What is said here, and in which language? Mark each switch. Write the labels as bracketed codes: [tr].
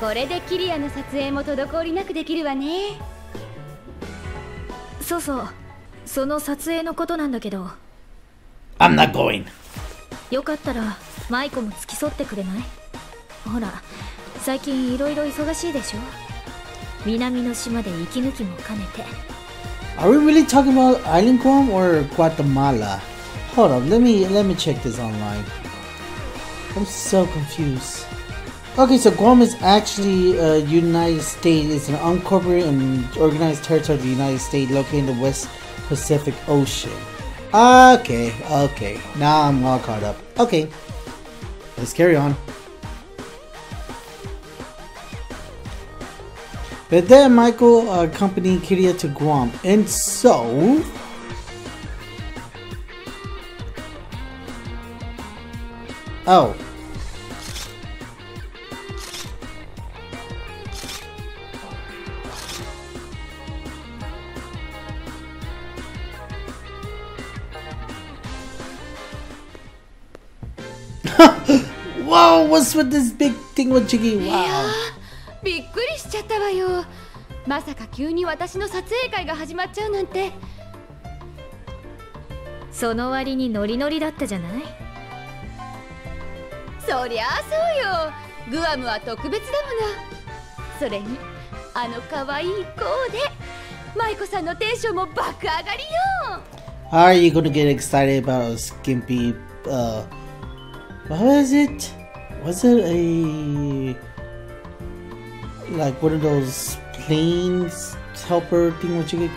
[ja] これでキリアの撮影も滞りなくできるわね。そうそう、その撮影のことなんだけど。 [en] I'm not going. [ja] よかったら、マイコも付き添ってくれない？ほら、最近いろいろ忙しいでしょ？南の島で息抜きも兼ねて。 [en] Are we really talking about Island Guam or Guatemala? Hold on, let me check this online. I'm so confused. Okay, so Guam is actually a United States. It's an unincorporated and organized territory of the United States located in the West Pacific Ocean. Okay, now I'm all caught up. Okay, let's carry on. But then Michael accompanied Kiria to Guam. And so... Oh. Whoa, what's with this big thing with Jiggy? Wow. [ja] びっくりしちゃったわよ。まさか急に私の撮影会が始まっちゃうなんて。その割にノリノリだったじゃない？そりゃあそうよ。グアムは特別だもの。それにあの可愛いコーデ、マイコさんのテンションも爆上がりよ。 [en] How are you gonna get excited about a skimpy, what was it? Was it a... Like one of those planes helper thing, which you get.